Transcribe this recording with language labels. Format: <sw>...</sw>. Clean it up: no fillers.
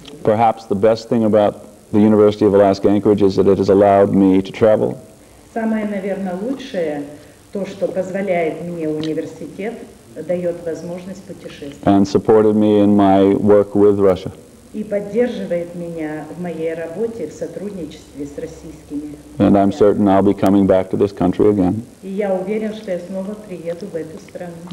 <en>Perhaps the best thing about the University of Alaska Anchorage is that it has allowed me to travel.</en> <ru>Самое, наверное, лучшее, то, что позволяет мне университет, дает возможность путешествовать.</ru> <en>And supported me in my work with Russia.</en> <ru>И поддерживает меня в моей работе в сотрудничестве с российскими.</ru> <en>And I'm certain I'll be coming back to this country again.</en> <ru>И я уверен, что я снова приеду в эту страну.</ru>